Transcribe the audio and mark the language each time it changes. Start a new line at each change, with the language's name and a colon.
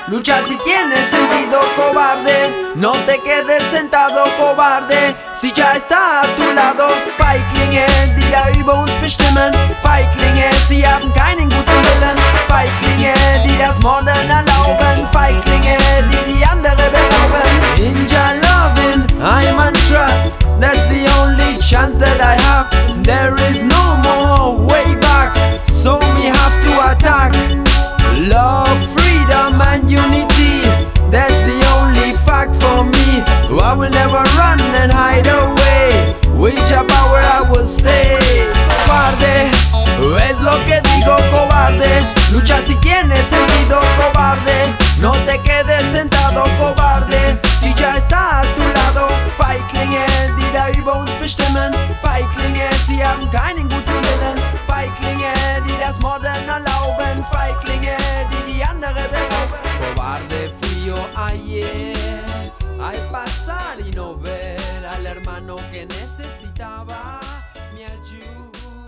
Spanish: Lucha si tienes sentido, cobarde. No te quedes sentado, cobarde. Si ya está a tu lado,
German: Feiglinge, die da über uns bestimmen. Feiglinge, sie haben keinen guten Willen. Feiglinge, die das Morden erlauben. Feiglinge, die die andere berauben.
English: Ninja loving, I'm on trust. That's the only chance that I have. There is no more way back, so we have to attack. Love, freedom and unity, that's the only fact for me. I will never run and hide away, with your power I will stay.
Spanish: Cobarde, es lo que digo, cobarde. Lucha si tienes sentido, cobarde. No te quedes sentado, cobarde. Si ya está a tu lado,
German: Feiglinge, die da über uns bestimmen. Feiglinge, sie haben keinen guten Willen. Feiglinge, die das Morden erlauben. Feiglinge, die die andere berauben.
Spanish: Cobarde frío ayer, al pasar y no ver al hermano que necesitaba mi ayuda.